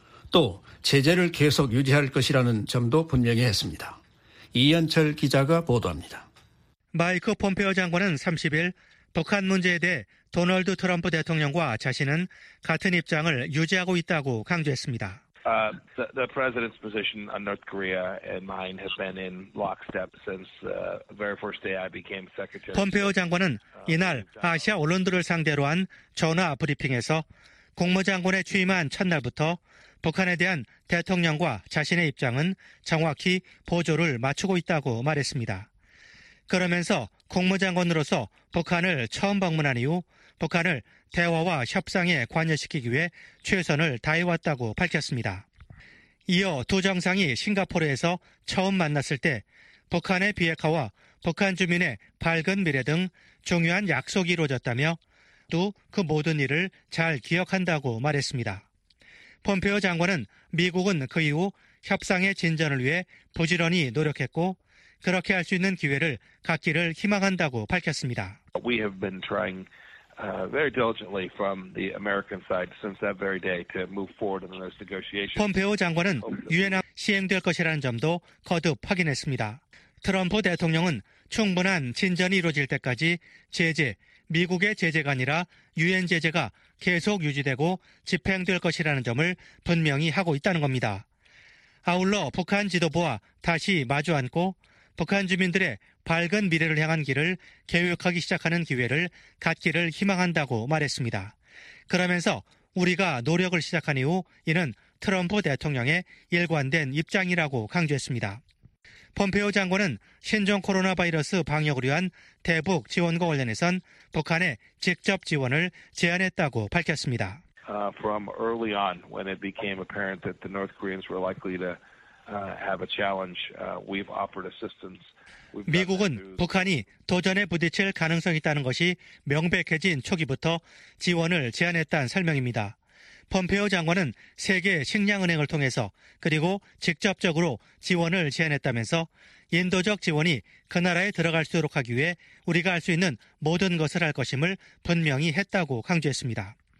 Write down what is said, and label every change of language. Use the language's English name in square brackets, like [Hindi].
[Korean] 또 제재를 계속 유지할 것이라는 점도 분명히 했습니다. 이현철 기자가 보도합니다. 마이크 폼페오 장관은 30일 북한 문제에 대해 도널드 트럼프 대통령과 자신은 같은 입장을 유지하고 있다고 강조했습니다. [English] The president's position on North Korea and mine have been in lockstep since the very first day I became secretary. [Korean] 폼페오 장관은 이날 아시아 언론들을 상대로 한 전화 브리핑에서 국무장관에 취임한 첫날부터 북한에 대한 대통령과 자신의 입장은 정확히 보조를 맞추고 있다고 말했습니다. 그러면서 국무장관으로서 북한을 처음 방문한 이후 북한을 대화와 협상에 관여시키기 위해 최선을 다해왔다고 밝혔습니다. 이어 두 정상이 싱가포르에서 처음 만났을 때 북한의 비핵화와 북한 주민의 밝은 미래 등 중요한 약속이 이루어졌다며 또 그 모든 일을 잘 기억한다고 말했습니다. 폼페오 장관은 미국은 그 이후 협상의 진전을 위해 부지런히 노력했고 그렇게 할 수 있는 기회를 갖기를 희망한다고 밝혔습니다. [English] We have been trying very diligently from the American side since that very day to move forward in those negotiations. [Korean] 폼페오 장관은 유엔합 시행될 것이라는 점도 거듭 확인했습니다. 트럼프 대통령은 충분한 진전이 이루어질 때까지 제재, 미국의 제재가 아니라 유엔 제재가 계속 유지되고 집행될 것이라는 점을 분명히 하고 있다는 겁니다. 아울러 북한 지도부와 다시 마주 앉고 북한 주민들의 밝은 미래를 향한 길을 계획하기 시작하는 기회를 갖기를 희망한다고 말했습니다. 그러면서 우리가 노력을 시작한 이후 이는 트럼프 대통령의 일관된 입장이라고 강조했습니다. 폼페오 장관은 신종 코로나 바이러스 방역을 위한 대북 지원과 관련해선 북한에 직접 지원을 제안했다고 밝혔습니다. [English] From early on, when it became apparent that the North Koreans were likely to have a challenge, we've offered assistance. [Korean] 미국은 북한이 도전에 부딪힐 가능성이 있다는 것이 명백해진 초기부터 지원을 제안했다는 설명입니다. 폼페오 장관은 세계 식량은행을 통해서 그리고 직접적으로 지원을 제안했다면서 인도적 지원이 그 나라에 들어갈 수 있도록 하기 위해 우리가 할 수 있는 모든 것을 할 것임을 분명히 했다고 강조했습니다.